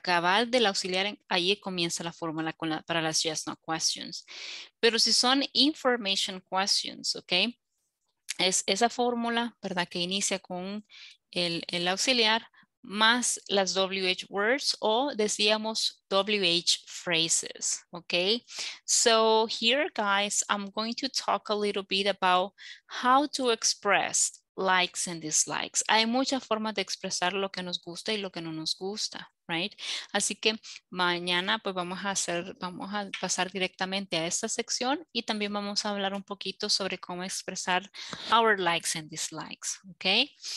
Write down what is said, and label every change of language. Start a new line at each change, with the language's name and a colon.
Spanish: Cabal del auxiliar, ahí comienza la fórmula para las
English: yes, no questions.
Spanish: Pero si son information questions, ¿ok? Es esa fórmula, ¿verdad? Que inicia con el auxiliar, más las WH words, o decíamos WH phrases, okay?
English: So here, guys, I'm going to talk a little bit about how to express likes and dislikes.
Spanish: Hay muchas formas de expresar lo que nos gusta y lo que no nos gusta,
English: right?
Spanish: Así que mañana pues vamos a hacer, vamos a pasar directamente a esta sección y también vamos a hablar un poquito sobre cómo expresar
English: our likes and dislikes, okay?